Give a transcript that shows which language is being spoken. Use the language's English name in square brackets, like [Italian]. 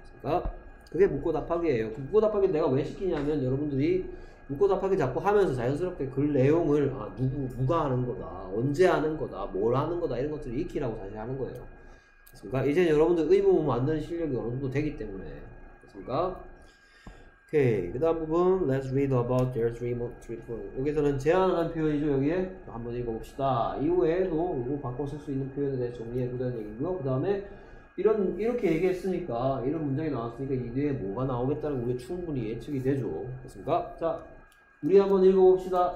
[Korean] 그러니까 그게 묻고 답하기예요. 묻고 답하기 내가 왜 시키냐면 여러분들이 묻고 답하기 자꾸 하면서 자연스럽게 글 내용을 아, 누가 하는 거다, 언제 하는 거다, 뭘 하는 거다 이런 것들을 익히라고 다시 하는 거예요. 그러니까 이제 여러분들 의문 만드는 실력이 어느 정도 되기 때문에. 그러니까 오케이. 그 다음 부분 [English] Let's read about their three points. [Korean] 여기서는 제안한 표현이죠. 여기에 한번 읽어봅시다. 이후에도 이거 바꿔 쓸 수 있는 표현에 대해 정리해보자는 얘기고요. 그 다음에 이런 이렇게 얘기했으니까 이런 문장이 나왔으니까 이 뒤에 뭐가 나오겠다는 게 충분히 예측이 되죠. 그렇습니까? 자, 우리 한번 읽어봅시다.